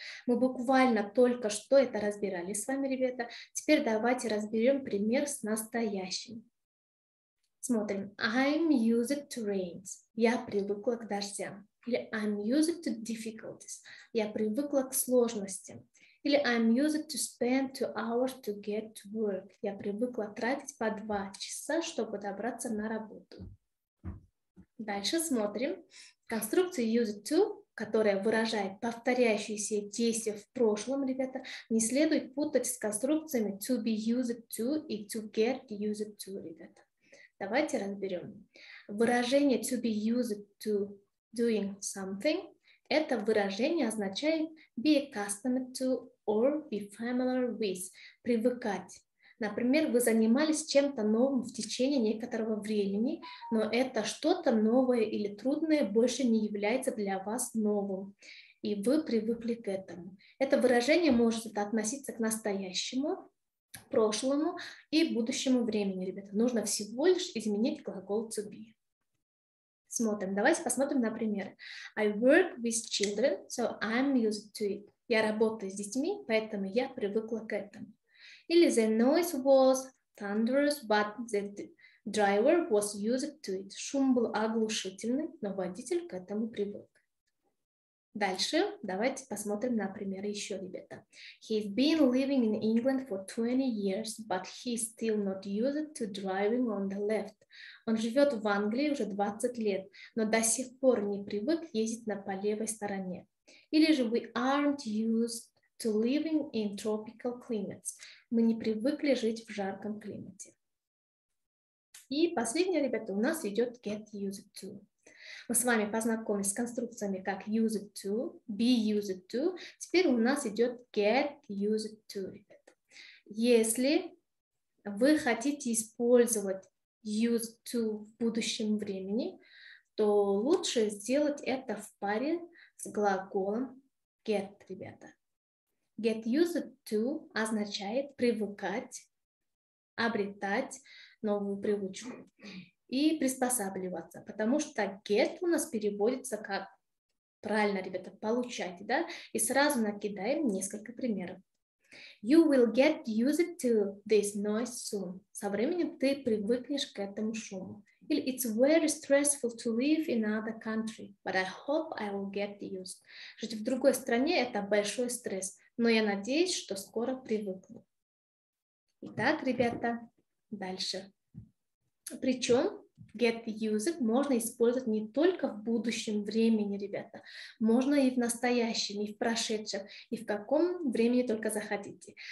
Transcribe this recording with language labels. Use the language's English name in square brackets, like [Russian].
[Russian] Мы буквально только что это разбирали с вами, ребята. Теперь давайте разберем пример с настоящим. Смотрим. [English] I'm used to rains. [Russian] Я привыкла к дождям. [English] Или I'm used to difficulties. [Russian] Я привыкла к сложностям. [English] Или I'm used to spend 2 hours to get to work. [Russian] Я привыкла тратить по 2 часа, чтобы добраться на работу. Дальше смотрим. Конструкция used to, которая выражает повторяющиеся действия в прошлом, ребята, не следует путать с конструкциями to be used to и to get used to, ребята. Давайте разберем. Выражение to be used to doing something, это выражение означает [English] be accustomed to or be familiar with, [Russian] привыкать. Например, вы занимались чем-то новым в течение некоторого времени, но это что-то новое или трудное больше не является для вас новым, и вы привыкли к этому. Это выражение может относиться к настоящему, прошлому и будущему времени, ребята. Нужно всего лишь изменить глагол to be. Смотрим. Давайте посмотрим на пример. [English] I work with children, so I'm used to it. [Russian] Я работаю с детьми, поэтому я привыкла к этому. [English] Или the noise was thunderous, but the driver was used to it. [Russian] Шум был оглушительный, но водитель к этому привык. Дальше давайте посмотрим на пример еще, ребята. [English] He's been living in England for 20 years, but he's still not used to driving on the left. [Russian] Он живет в Англии уже 20 лет, но до сих пор не привык ездить по левой стороне. Или же [English] we aren't used to living in tropical climates. [Russian] Мы не привыкли жить в жарком климате. И последнее, ребята, у нас идет get used to. Мы с вами познакомились с конструкциями как used to, be used to. Теперь у нас идет get used to, ребята. Если вы хотите использовать used to в будущем времени, то лучше сделать это в паре с глаголом get, ребята. Get used to означает привыкать обретать новую привычку и приспосабливаться, потому что get у нас переводится как, правильно, ребята, получать, да, и сразу накидаем несколько примеров. [English] You will get used to this noise soon. [Russian] Со временем ты привыкнешь к этому шуму. [English] Или it's very stressful to live in another country, but I hope I will get used. [Russian] Жить в другой стране – это большой стресс, но я надеюсь, что скоро привыкну. Итак, ребята, дальше. Причем get used можно использовать не только в будущем времени, ребята. Можно и в настоящем, и в прошедшем, и в каком времени только захотите.